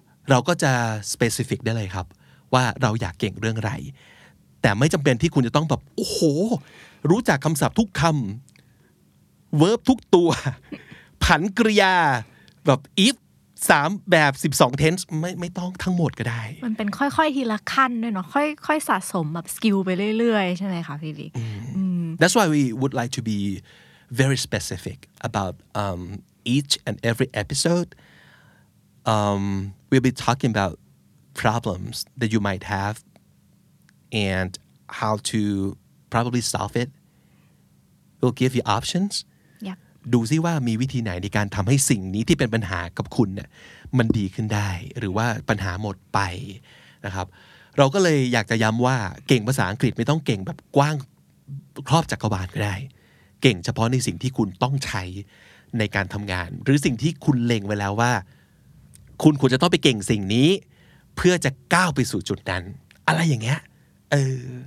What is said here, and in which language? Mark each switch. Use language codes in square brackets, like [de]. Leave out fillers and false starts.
[th] เราก็จะ specific ได้เลยครับว่าเราอยากเก่งเรื่องอะไรแต่ไม่จำเป็นที่คุณจะต้องแบบโอ้โหรู้จักคำศัพท์ทุกคำ verb ทุกตัวผันกริยาแบบ if 3แบบ12 tense ไม่ต้องทั้งหมดก็ได้มันเป็นค่อยๆทีละขั้นด้วยเนาะค่อยๆสะสมแบบ skill ไปเรื่อยๆใช่ไหมคะพี่บิ๊ก [en] That's why we would like to be very specific about each and every episode we'll be talking about problems that you might have and how to probably solve it we'll give you options yeah [th] ดูซิว่ามีวิธีไหนในการทำให้สิ่งนี้ที่เป็นปัญหากับคุณเนี่ยมันดีขึ้นได้หรือว่าปัญหาหมดไปนะครับเราก็เลยอยากจะย้ำว่าเก่งภาษาอังกฤษไม่ต้องเก่งแบบกว้างครอบจักรวาลก็ได้เก่งเฉพาะในสิ่งที่คุณต้องใช้ในการทำงานหรือสิ่งที่คุณเล็งไว้แล้วว่าคุณควรจะต้องไปเก่งสิ่งนี้เพื่อจะก้าวไปสู่จุดนั้นอะไรอย่างเงี้ยเออ